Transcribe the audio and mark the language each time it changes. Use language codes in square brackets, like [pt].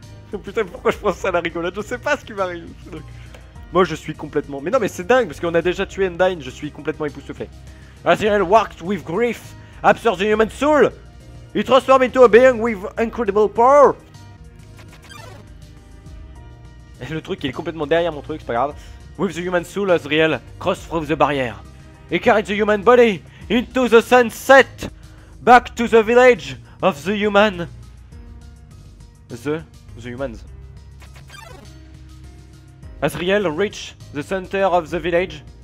[fr] Putain, pourquoi je prends ça à la rigolade? Je sais pas ce qui m'arrive. Moi, je suis complètement... Mais non, mais c'est dingue, parce qu'on a déjà tué Undyne. Je suis complètement époustouflé. [en] Azrael worked with grief. Absorbed the human soul. He transformed into a being with incredible power. [fr] Et le truc, il est complètement derrière mon truc, c'est pas grave. [en] With the human soul, Azrael crossed through the barrier. He carried the human body into the sunset. Back to the village of the human. The humans. Azrael reached the center of the village.